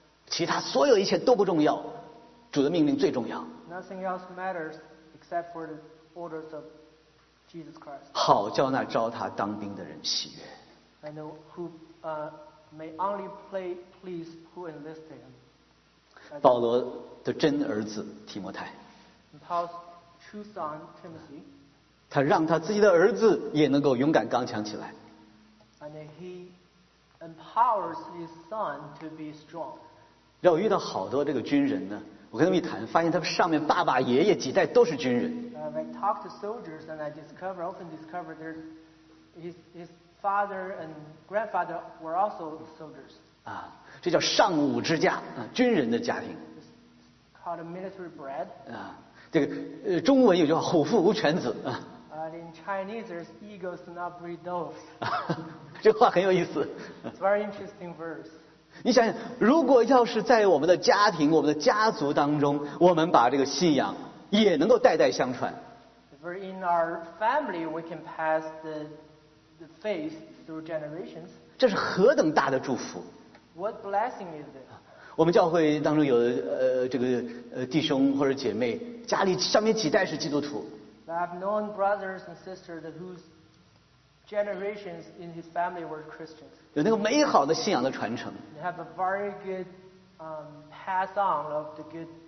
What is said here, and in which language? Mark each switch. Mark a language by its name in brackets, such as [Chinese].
[Chinese] 其他所有一切都不重要，主的命令最重要。 [English] Nothing else matters except for the orders of Jesus Christ. [Chinese] 好叫那招他当兵的人喜悦。 [English] And who may only please who enlisted him. [Chinese] 保罗的真儿子提摩太 [English] Paul's true son Timothy [Chinese] 他让他自己的儿子也能够勇敢刚强起来 [English] And he empowers his son to be strong [Chinese] 让我遇到好多这个军人呢我跟他们一谈发现他们上面爸爸爷爷几代都是军人 [English] I talk to soldiers and I often discover his father and grandfather were also soldiers [Chinese] 啊这叫上武之家啊，军人的家庭。 [English] It's called a military bread. [Chinese] 啊，这个中文有句话，虎父无犬子啊。 [English] In Chinese, there's eagles do not breed doves. [Chinese] 这话很有意思。 [English] It's a very interesting verse. [Chinese] 你想想，如果要是在我们的家庭、我们的家族当中，我们把这个信仰也能够代代相传。 [English] If we're in our family, we can pass the faith through generations. [Chinese] 这是何等大的祝福！ [English] What blessing is this? [Chinese] 我们教会当中有弟兄或者姐妹，家里上面几代是基督徒。 [English] I've known brothers and sisters whose generations in his family were Christians. [Chinese] 有那个美好的信仰的传承。 [English] They have a very good pass on of the good